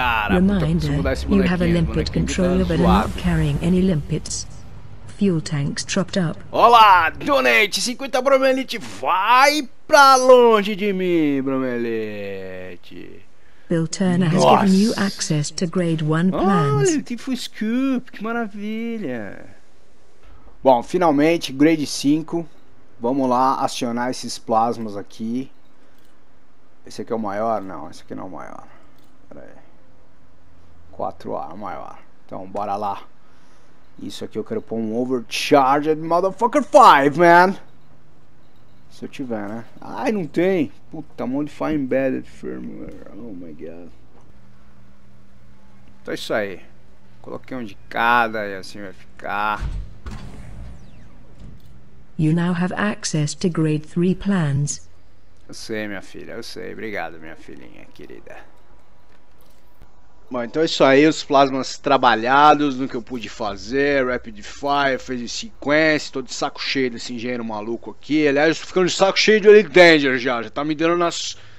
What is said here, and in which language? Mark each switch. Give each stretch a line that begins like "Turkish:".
English: Reminder, you have a limpet controller but are not carrying any limpets. Fuel tanks dropped up.
Portuguese: Olá, Donate 50 Bromelite, vai pra longe de mim, Bromelite.
English: Bill Turner has given you access to grade 1 plans.
Portuguese: Olha, tem full scoop, que maravilha. Bom, finalmente, grade 5. Vamos lá acionar esses plasmas aqui. Esse aqui é o maior? Não, esse aqui não é o maior. Pera aí. 4A, o maior. Então, bora lá. Isso aqui eu quero pôr um Overcharged Motherfucker 5, man. Se eu tiver, né? Ai, não tem. Puta, Modify Embedded Firmware.
English: Oh my god.
Portuguese: Então é isso aí. Coloquei um de cada e assim vai ficar.
English: You now have access to grade 3 plans.
Portuguese: Eu sei, minha filha, eu sei. Obrigado, minha filhinha querida. Bom, então é isso aí, os plasmas trabalhados no que eu pude fazer, rapid fire, phase sequence, tô de saco cheio desse engenheiro maluco aqui. Aliás, eu tô ficando de saco cheio de Elite Danger já tá me dando nas...